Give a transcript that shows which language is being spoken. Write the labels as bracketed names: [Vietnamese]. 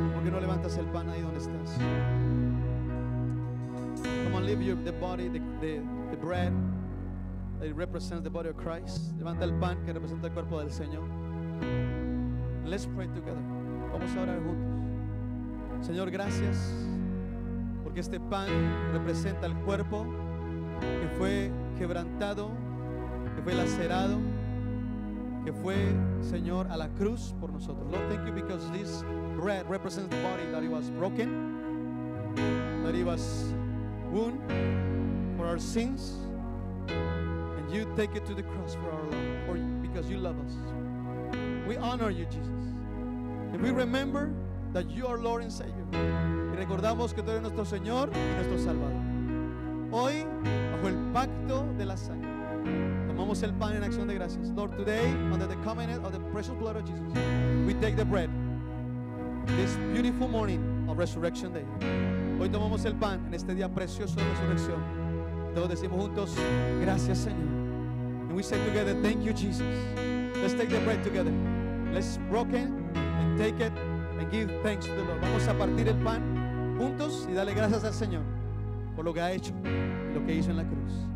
[Spanish] no levantas el pan ahí donde estás? [English] Come on, leave your, the body, the bread that represents the body of Christ. [Spanish] Levanta el pan que representa el cuerpo del Señor. [English] Let's pray together. [Spanish] Vamos a orar juntos. Señor, gracias porque este pan representa el cuerpo que fue quebrantado, que fue lacerado, que fue, Señor, a la cruz por nosotros. [English] Lord, thank you because this bread represents the body that it was broken, that it was wound for our sins, and you take it to the cross for our love, for you, because you love us. We honor you, Jesus. And we remember that you are Lord and Savior. [Spanish] Y recordamos que tú eres nuestro Señor y nuestro Salvador. Hoy, bajo el pacto de la sangre, tomamos el pan en acción de gracias. [English] Lord, today, under the covenant of the precious blood of Jesus, we take the bread. This beautiful morning of Resurrection Day. [Spanish] Hoy tomamos el pan en este día precioso de resurrección. Todos decimos juntos, gracias Señor. [English] And we say together, thank you Jesus. Let's take the bread together. Let's break it and take it and give thanks to the Lord. [Spanish] Vamos a partir el pan juntos y darle gracias al Señor por lo que ha hecho, lo que hizo en la cruz.